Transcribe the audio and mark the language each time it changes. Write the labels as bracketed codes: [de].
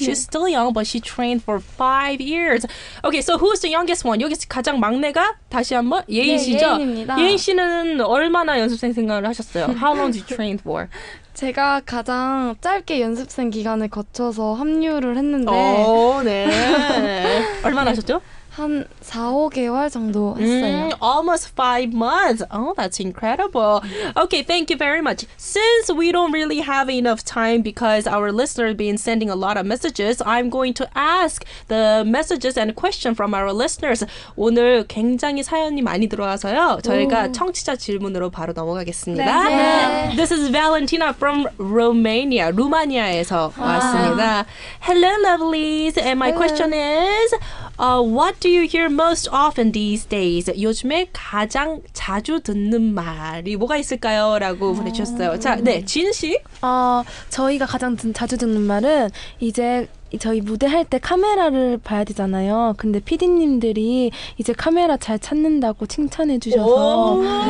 [en] She's still young, but she trained for 5 years. Okay, so who's the youngest one? [ko] 여기서 가장 막내가 다시 한번 예인 씨죠? 네, 예인입니다. 예인 씨는 얼마나 연습생 생활을 하셨어요? [en] How long did you train for? [ko] 제가 가장 짧게 연습생 기간을 거쳐서 합류를 했는데 네. 얼마나 하셨죠? 한 4, 5개월 정도 했어요. [en] Almost 5 months. Oh, that's incredible. Okay, thank you very much. Since we don't really have enough time because our listeners have been sending a lot of messages, I'm going to ask the messages and questions from our listeners. [ko] 오늘 굉장히 사연이 많이 들어와서요. 저희가 청취자 질문으로 바로 넘어가겠습니다. 네. 네. [en] This is Valentina from Romania, [ko] 루마니아에서 왔습니다. [en] Hello, lovelies. And my question is, what do you hear most often these days? [ko] 요즘에 가장 자주 듣는 말이 뭐가 있을까요? 라고 보내주셨어요. 자, 네, 진 씨. 저희가 가장 자주 듣는 말은 이제 저희 무대할 때 카메라를 봐야 되잖아요. 근데 PD님들이 이제 카메라 잘 찾는다고 칭찬해 주셔서